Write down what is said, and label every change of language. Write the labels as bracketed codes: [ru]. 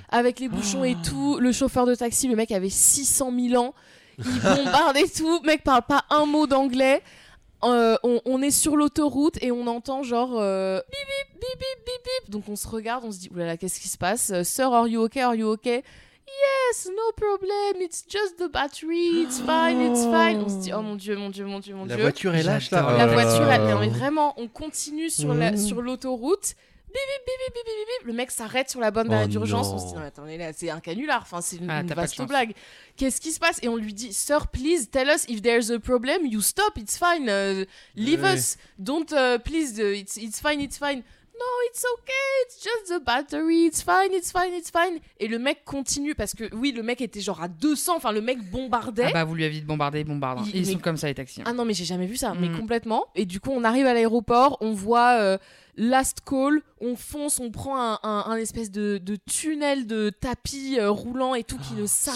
[fr] Avec les bouchons et tout. Le chauffeur de taxi, le mec avait 600 000 ans. Il bombarde et tout. Le mec parle pas un mot d'anglais. On est sur l'autoroute et on entend genre bip bip bip bip bip bip. Donc on se regarde, on se dit oulala, qu'est-ce qui se passe? [en] Sir, are you okay? Are you okay? Yes, no problem, it's just the battery, it's fine, it's fine. [fr] On se dit, oh mon dieu. La voiture est lâche là. La voiture, elle est vraiment, on continue sur, la, sur l'autoroute. Bip, bip, bip, bip, bip, bip. Le mec s'arrête sur la bonne barre d'urgence. Non. On se dit, attendez, là, c'est un canular, enfin, c'est une vaste blague. Qu'est-ce qui se passe? Et on lui dit, [en] sir, please tell us if there's a problem, you stop, it's fine, leave us, don't, please, it's fine, it's fine. no, it's okay, it's just the battery, it's fine, it's fine, it's fine. [fr] Et le mec continue, parce que oui, le mec était genre à 200, enfin le mec bombardait. Ah bah vous lui avez dit bombardé. Ils sont comme ça les taxis. Ah non, mais j'ai jamais vu ça, mais complètement. Et du coup, on arrive à l'aéroport, on voit last call, on fonce, on prend un espèce de tunnel de tapis roulant et tout qui ne s'arrête